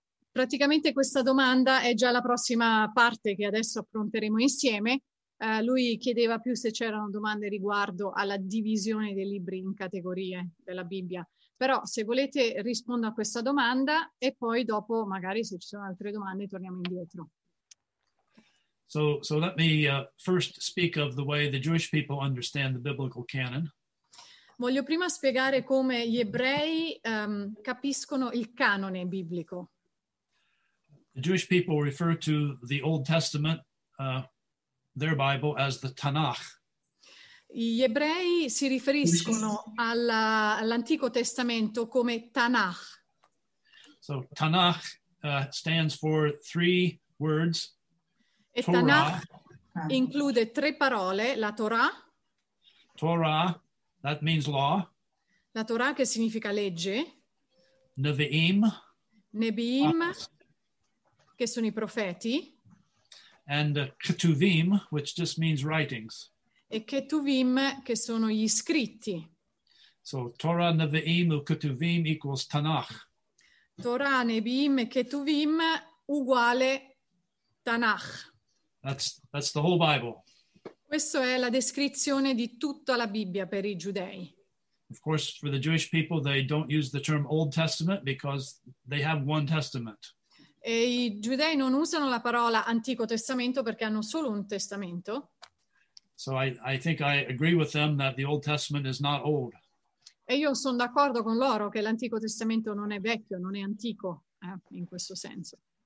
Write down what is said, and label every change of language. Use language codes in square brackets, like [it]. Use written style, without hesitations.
[it] Praticamente questa domanda è già la prossima parte che adesso affronteremo insieme. Lui chiedeva più se c'erano domande riguardo alla divisione dei libri in categorie della Bibbia. Però se volete rispondo a questa domanda, e poi dopo magari se ci sono altre domande torniamo indietro. [en] So let me first speak of the way the Jewish people understand the biblical canon. [it] voglio prima spiegare come gli ebrei capiscono il canone biblico. [en] The Jewish people refer to the Old Testament, their Bible, as the Tanakh. [it] Gli ebrei si riferiscono all'Antico Testamento come Tanakh. [en] So Tanakh stands for three words. [it] E Torah. Tanakh include tre parole, la Torah. [en] Torah, that means law. [it] La Torah che significa legge. [en] Nevi'im. [it] Nevi'im, che sono i profeti. [en] And Ketuvim, which just means writings. [it] E Ketuvim, che sono gli scritti. [en] So Torah, Nevi'im, Ketuvim equals Tanakh. [it] Torah, Nevi'im, Ketuvim uguale Tanakh. [en] That's the whole Bible. [it] Questa è la descrizione di tutta la Bibbia per i giudei. [en] Of course, for the Jewish people, they don't use the term Old Testament because they have one Testament. [it] E i giudei non usano la parola Antico Testamento perché hanno solo un testamento. [en] So I think I agree with them that the Old Testament is not old. [it] E io sono d'accordo con loro che l'Antico Testamento non è vecchio, non è antico, in questo senso.